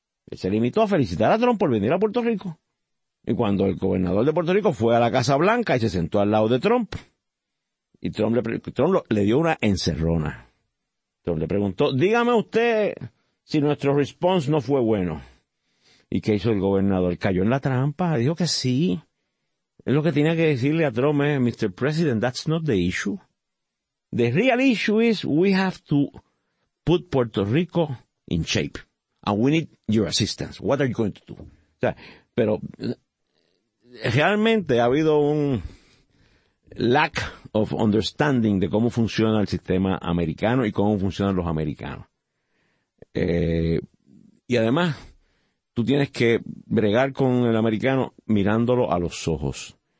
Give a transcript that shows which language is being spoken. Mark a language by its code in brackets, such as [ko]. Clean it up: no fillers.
[es] Él se limitó a felicitar a Trump por venir a Puerto Rico. Y cuando el gobernador de Puerto Rico fue a la Casa Blanca y se sentó al lado de Trump, y Trump le dio una encerrona. Trump le preguntó, dígame usted si nuestro response no fue bueno. ¿Y qué hizo el gobernador? Cayó en la trampa, dijo que sí. Es lo que tenía que decirle a Trump, Mr. [en] President, that's not the issue. The real issue is we have to put Puerto Rico in shape. And we need your assistance. What are you going to do? [es] O sea, pero realmente ha habido un [en] lack of understanding [es] de cómo funciona el sistema americano y cómo funcionan los americanos. Y además, tú tienes que bregar con el americano mirándolo a los ojos.